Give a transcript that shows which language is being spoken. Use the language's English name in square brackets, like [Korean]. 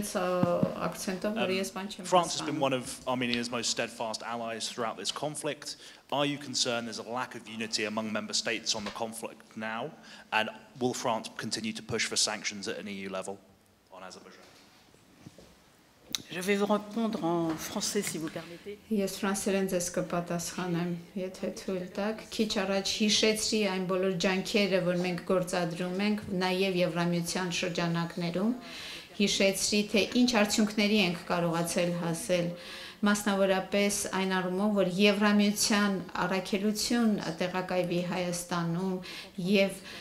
[English] France has been one of Armenia's most steadfast allies throughout this conflict. Are you concerned there's a lack of unity among member states on the conflict now? And will France continue to push for sanctions at an EU level on Azerbaijan? [French] Je vais vous répondre en français, si vous permettez. [Armenian] Ես ֆրանսերեն ձեզ կպատասխանեմ, եթե թույլ տաք։ Քիչ առաջ հիշեցի այն բոլոր ջանքերը, որ մենք գործադրում ենք նաև Եվրամիության շրջանակներում, հիշեցի, թե ինչ արդյունքների ենք կարողացել հասել, մասնավորապես այն առումով, որ Եվրամիության առաքելություն տեղակայվի Հայաստանում և